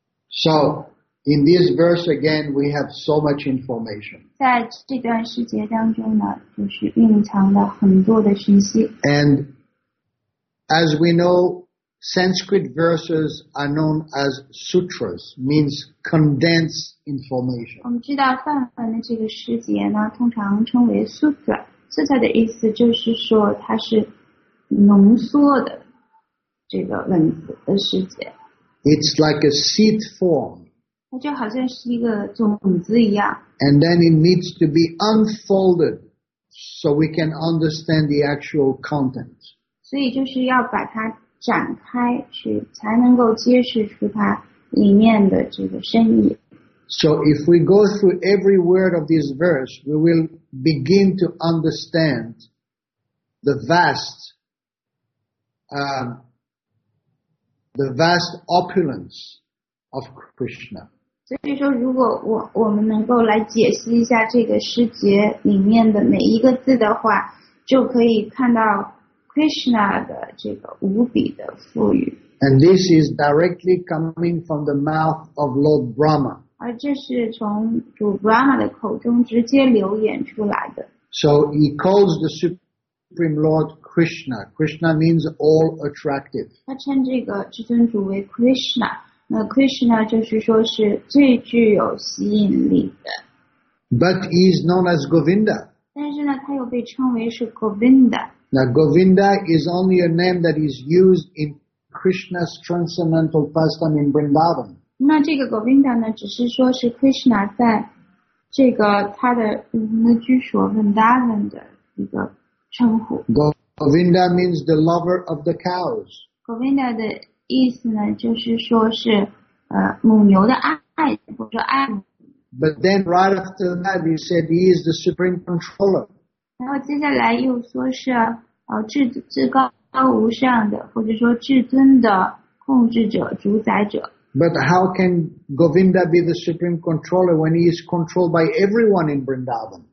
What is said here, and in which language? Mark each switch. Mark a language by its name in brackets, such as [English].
[English] So, in this verse again, we have so much information. [Chinese] 在这段时节当中呢，就是蕴藏了很多的讯息。 [English] And as we know, Sanskrit verses are known as sutras, means condensed information. [Chinese] 我们知道梵文的这个时节呢，通常称为 sutra。 sutra 的意思就是说它是浓缩的。这个文字的世界 [English] It's like a seed form. [Chinese] 它就好像是一个种子一样 [English] And then it needs to be unfolded so we can understand the actual content. [Chinese] 所以就是要把它展开去才能够揭示出它里面的这个深意 [English] So if we go through every word of this verse, we will begin to understand the vast, the vast opulence of Krishna. [Chinese] 所以说如果 我们能够来解析一下这个诗节里面的每一个字的话就可以看到 Krishna 的这个无比的富裕。 [English] And this is directly coming from the mouth of Lord Brahma. [Chinese] 而这是从主 Brahma 的口中直接流言出来的。 [English] So he calls the Supreme Lord Krishna. Krishna means all attractive. [Chinese] 他称这个至尊主为 Krishna. 那 Krishna 就是说是最具有吸引力的。 [English] But he is known as Govinda. [Chinese] 但是呢，他又被称为是 Govinda. [English] Now Govinda is only a name that is used in Krishna's transcendental pastime in Vrindavan. [Chinese] 那这个 Govinda 呢，只是说是 Krishna 在这个他的那居所 Vrindavan 的一个。 [English] Govinda means the lover of the cows. [Chinese] Govinda 的意思呢，就是说是母牛的爱，或者爱母。 [English] But then right after that, you said he is the supreme controller. [Chinese] 然后接下来又说是至高无上的，或者说至尊的控制者、主宰者。 [English] But how can Govinda be the supreme controller when he is controlled by everyone in Vrindavan?